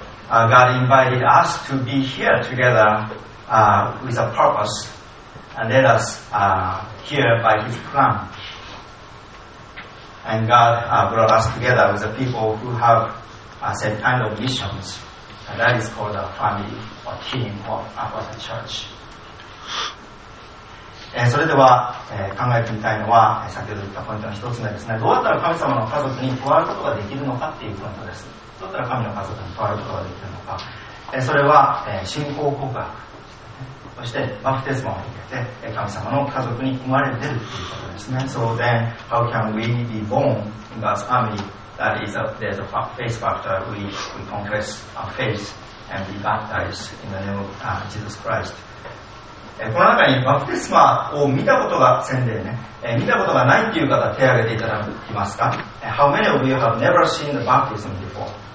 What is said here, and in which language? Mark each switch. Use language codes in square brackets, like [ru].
[en] God invited us to be here together with a purpose, and led us here by his plan. And God brought us together with the people who have the same kind of missions. And that is called a family, or team, or the church. [ja] それでは、考えてみたいのは、先ほど言ったポイントの一つ目ですね。どうやったら神様の家族に加わることができるのかっていうポイントです。どうやったら神の家族に加わることができるのか。それは、信仰告白。そして、バプテスマを受けて、神様の家族に生まれ出るということですね。 [en] So then, how can we be born in God's family? That is, there's a faith factor. We confess our faith and be baptized in the name of Jesus Christ. [ja] この中にバプテスマを見たことが、宣伝ね、見たことがないっていう方、手を挙げていただけますか。 [en] How many of you have never seen the baptism before?